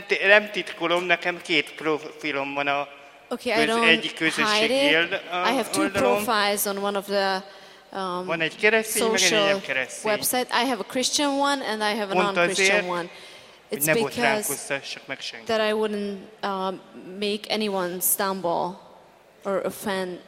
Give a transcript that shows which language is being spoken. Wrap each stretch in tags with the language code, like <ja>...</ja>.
<hu>nem titkolom, nekem két profilom van a egyik közösségi</hu> <en>I have two profiles on one of the</en> <hu>van egy keresztény, meg egy nem keresztény.</hu> <en>Website. I have a Christian one and I have a non-Christian one. It's because that I wouldn't make anyone stumble or offend.</en>